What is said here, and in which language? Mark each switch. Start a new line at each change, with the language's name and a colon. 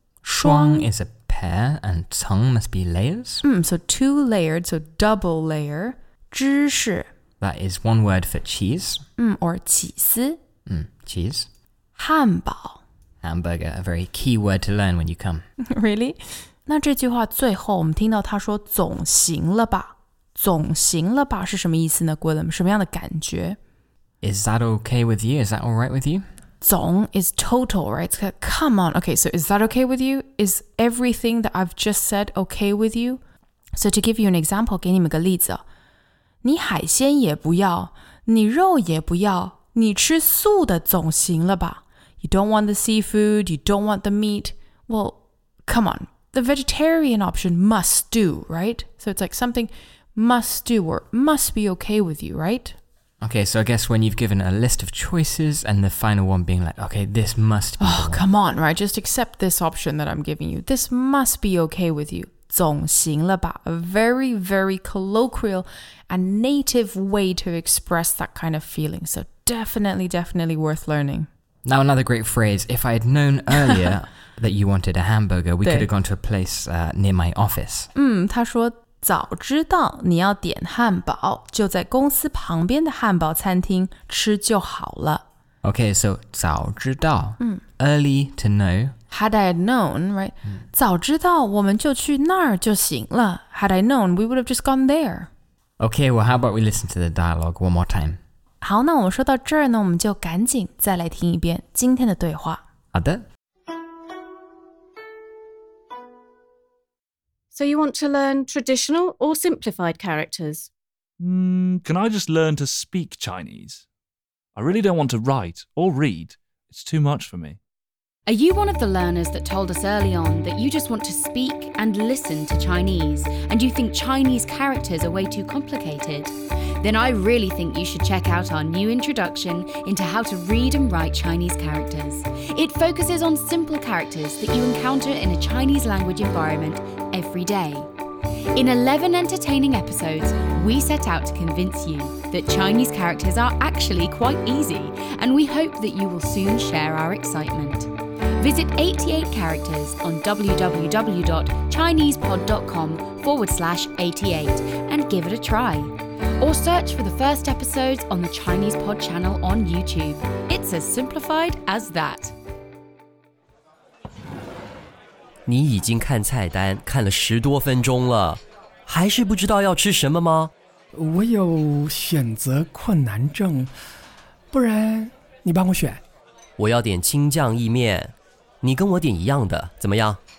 English: 双 is a pair and 层 must be layers. So two layered, so double layer. 芝士。 That is one word for cheese. Or 起司。 Cheese.
Chinese: 汉堡。
English: Hamburger, a very key word to learn when you come. Really?
Chinese: 那这句话最后我们听到他说总行了吧。总行了吧是什么意思呢 Guillem? 什么样的感觉
English: Is that okay with you? Is that alright with you? 总 is total, right? It's like, come on. Okay, so is that okay with you? Is everything that I've just said okay with you? So to give you an example,
Chinese: 给你们个例子。你海鲜也不要,你肉也不要,你吃素的总行了吧?
English: You don't want the seafood, you don't want the meat. Well, come on. The vegetarian option must do, right? So it's like something... must do or must be okay with you, right? Okay, so I guess when you've given a list of choices and the final one being like, okay, this must be... Oh, come on, right? Just accept this option that I'm giving you. This must be okay with you.
Chinese: 总行了吧?
English: A very, very colloquial and native way to express that kind of feeling. So definitely, definitely worth learning. Now, another great phrase. If I had known earlier that you wanted a hamburger, we could have gone to a place near my office.
Chinese: 他说早知道你要点汉堡，就在公司旁边的汉堡餐厅吃就好了。
English: Okay, so 早知道。Early to know. Had I known, right?
Chinese: 早知道我们就去那儿就行了。
English: Had I known, we would have just gone there. Okay, well, how about we listen to the dialogue one more time?
Chinese: 好，那我们说到这儿呢，我们就赶紧再来听一遍今天的对话。好的。
English: So you want to learn traditional or simplified characters? Can I just learn to speak Chinese? I really don't want to write or read. It's too much for me. Are you one of the learners that told us early on that you just want to speak and listen to Chinese and you think Chinese characters are way too complicated? Then I really think you should check out our new introduction into how to read and write Chinese characters. It focuses on simple characters that you encounter in a Chinese language environment every day. In 11 entertaining episodes, we set out to convince you that Chinese characters are actually quite easy, and we hope that you will soon share our excitement. Visit 88 characters on www.chinesepod.com/88 and give it a try. Or search for the first episodes on the Chinese Pod channel on YouTube. It's as simplified as that.
Chinese: 你已经看菜单看了十多分钟了，还是不知道要吃什么吗？我有选择困难症，不然你帮我选。我要点青酱意面，你跟我点一样的，怎么样？